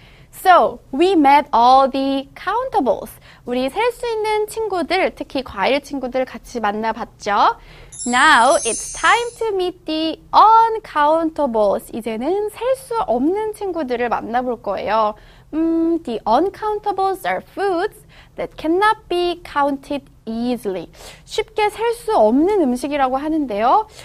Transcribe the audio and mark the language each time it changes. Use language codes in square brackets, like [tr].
[en] So, we met all the countables. [ko] 우리 셀 수 있는 친구들, 특히 과일 친구들 같이 만나봤죠? [en] Now, it's time to meet the uncountables. [ko] 이제는 셀 수 없는 친구들을 만나볼 거예요. [en] The uncountables are foods that cannot be counted easily. [ko] 쉽게 셀 수 없는 음식이라고 하는데요.